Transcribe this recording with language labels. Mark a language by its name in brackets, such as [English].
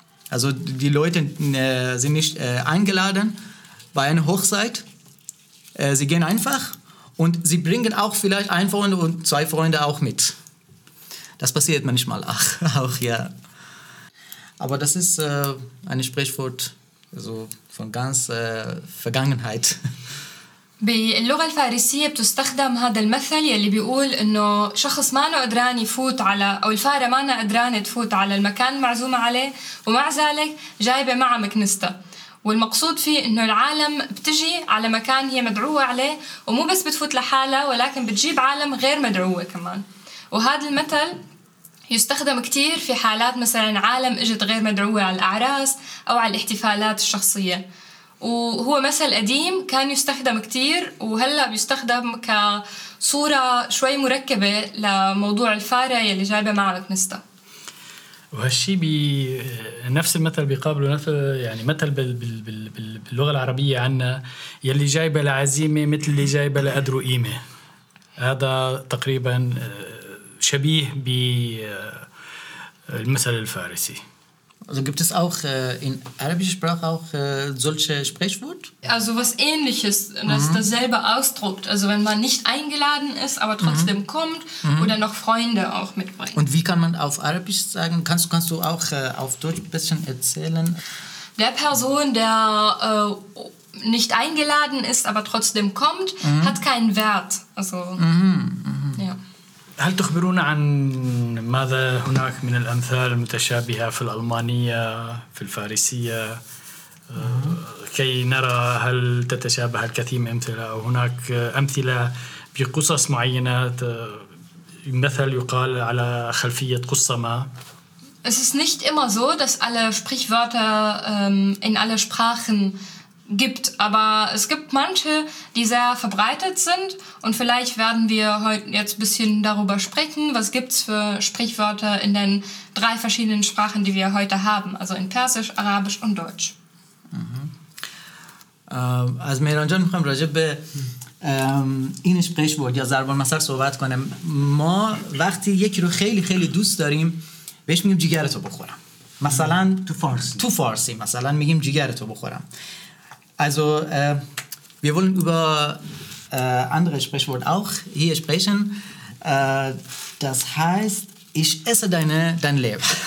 [German] Also die Leute sind nicht eingeladen bei einer Hochzeit. Sie gehen einfach. Und sie bringen auch vielleicht ein Freund und zwei Freunde auch mit. Das passiert manchmal auch, ja. Aber das ist ein Sprichwort also von ganz Vergangenheit. [Arabic] باللغة الفارسية بتستخدم هذا المثل يلي بيقول إنه شخص ما أنا قدران يفوت على أو الفارة ما أنا قدران تفوت على المكان معزومة عليه ومع ذلك جايبة معه مكنستة. والمقصود فيه إنه العالم بتجي على مكان هي مدعوة عليه ومو بس بتفوت لحالها ولكن بتجيب عالم غير مدعوة كمان. وهذا المثل يستخدم كتير في حالات مثلاً عالم إجت غير مدعوة على الأعراس أو على الاحتفالات الشخصية، وهو مثل قديم كان يستخدم كتير وهلأ بيستخدم كصورة شوي مركبة لموضوع الفارة يلي جايبة معها مكنستة. وهالشي بنفس المثل بيقابله نفس يعني مثل باللغة العربية عنا يلي جايبة لعزيمة مثل اللي جايبة لقدر قيمة، هذا تقريبا شبيه بالمثل الفارسي. [German] Also gibt es auch in arabischer Sprache auch solche Sprichwort? Also was ähnliches, das dasselbe ausdrückt. Also wenn man nicht eingeladen ist, aber trotzdem kommt oder noch Freunde auch mitbringt. Und wie kann man auf Arabisch sagen? Kannst du auch auf Deutsch ein bisschen erzählen? Der Person, der nicht eingeladen ist, aber trotzdem kommt, hat keinen Wert. Also, ja. [Arabic] هل تخبرون عن ماذا هناك من الأمثال المتشابهة في الألمانية في الفارسية كي نرى هل تتشابه الكثير من أمثلة أو هناك أمثلة بقصص معينة مثل يقال على خلفية قصة ما؟ [German] Es ist nicht immer so, dass alle Sprichwörter in alle Sprachen gibt, aber es gibt manche, die sehr verbreitet sind und vielleicht werden wir heute jetzt ein bisschen darüber sprechen, was gibt's für Sprichwörter in den drei verschiedenen Sprachen, die wir heute haben, also in Persisch, Arabisch und Deutsch. Als Mehran Jan, ich möchte über این Sprichwort ja [Persian] ضرب المثل صحبت کنم. ما وقتی یکی رو خیلی خیلی دوست داریم بهش میگیم جگرتو بخورم، مثلا تو فارسی مثلا میگیم جگرتو بخورم. [German] Also, wir wollen über andere Sprichwort auch hier sprechen. Das heißt, ich esse dein Leben.